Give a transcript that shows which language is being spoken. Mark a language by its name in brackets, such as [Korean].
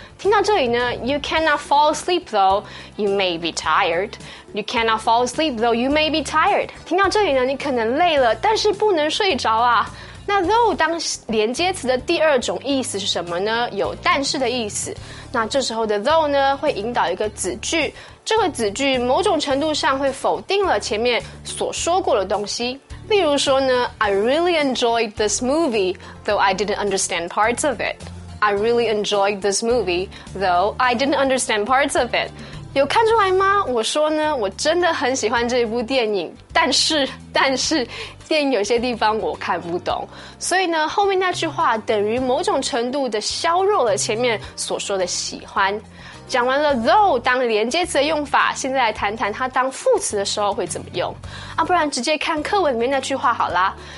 [Chinese] 听到这里呢 [English] ，You cannot fall asleep though you may be tired. You cannot fall asleep though you may be tired. [Chinese] 听到这里呢，你可能累了，但是不能睡着啊。那 though 当连接词的第二种意思是什么呢？有但是的意思。那这时候的 though 呢，会引导一个子句，这个子句某种程度上会否定了前面所说过的东西。例如说呢 [English] ，I really enjoyed this movie though I didn't understand parts of it. I really enjoyed this movie, though I didn't understand parts of it. [Chinese] 有看出来吗？我说呢，我真的很喜欢这部电影，但是电影有些地方我看不懂。所以呢，后面那句话等于某种程度的削弱了前面所说的喜欢。讲完了 though 当连接词的用法，现在来谈谈它当副词的时候会怎么用。啊，不然直接看课文里面那句话好啦。